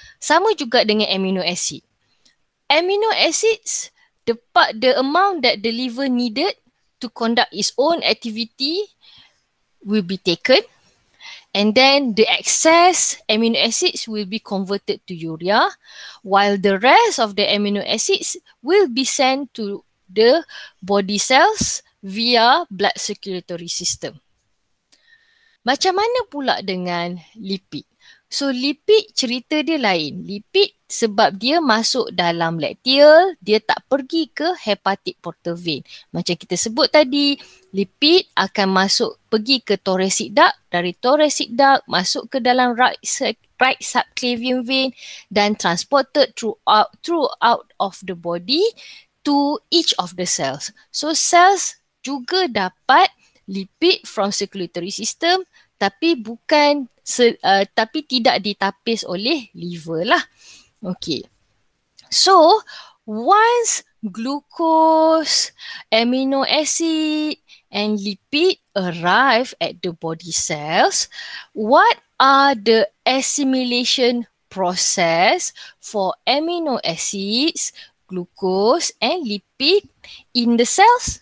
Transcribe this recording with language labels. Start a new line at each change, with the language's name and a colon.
Malay: Sama juga dengan amino acid.
English: Amino acids, the amount that the liver needed to conduct its own activity will be taken, and then the excess amino acids will be converted to urea, while the rest of the amino acids will be sent to the body cells via blood circulatory system.
Malay: Macam mana pula dengan lipid? So lipid, cerita dia lain. Lipid sebab dia masuk dalam lacteal, dia tak pergi ke hepatic portal vein. Macam kita sebut tadi, lipid akan masuk pergi ke thoracic duct, dari thoracic duct masuk ke dalam right subclavian vein dan
English: transported throughout of the body to each of the cells.
Malay: So cells juga dapat lipid
English: from circulatory system,
Malay: tapi bukan tapi tidak ditapis oleh liver lah. Okay.
English: So once glucose, amino acid and lipid arrive at the body cells, what are the assimilation process for amino acids, glucose and lipid in the cells?